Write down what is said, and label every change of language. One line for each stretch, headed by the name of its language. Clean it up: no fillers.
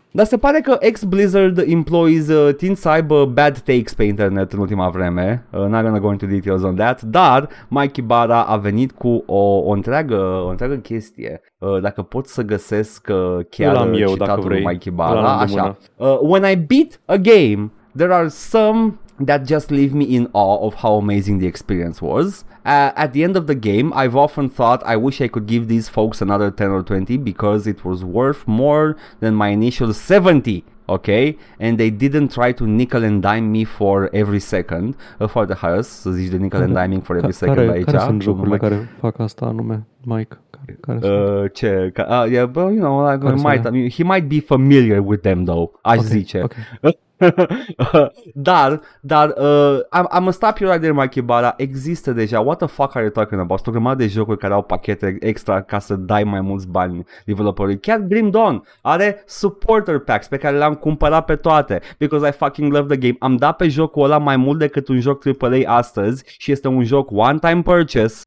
Romanian: Dar se pare că
English: ex-Blizzard employees
Romanian: tind să aibă
English: bad takes
Romanian: pe internet în ultima vreme,
English: not gonna go into details on that,
Romanian: dar Mikey Barra a venit cu o întreagă chestie. Dacă pot să găsesc chiar citatul lui Mikey Barra, așa.
English: When I beat a game, there are some that just leave me in awe of how amazing the experience was. At the end of the game, I've often thought I wish I could give these folks another 10 or 20 because it was worth more than my initial 70. Okay, and they didn't try to nickel and dime me for every second. For the highest,
Romanian: să zici de
English: nickel and diming for every second
Romanian: aici. Care sunt jocurile care fac asta anume, Mike?
English: He might be familiar with them though,
Romanian: zice.
English: I'm a stop you right there, Mikey Barra.
Romanian: Există deja,
English: what the fuck are you talking about?
Romanian: Sunt o grămadă de jocuri care au pachete extra ca să dai mai mulți bani developerului. Chiar Grim Dawn are supporter packs pe care le-am cumpărat pe toate,
English: because I fucking love the game.
Romanian: Am dat pe jocul ăla mai mult decât un joc AAA astăzi și este un joc
English: one time purchase.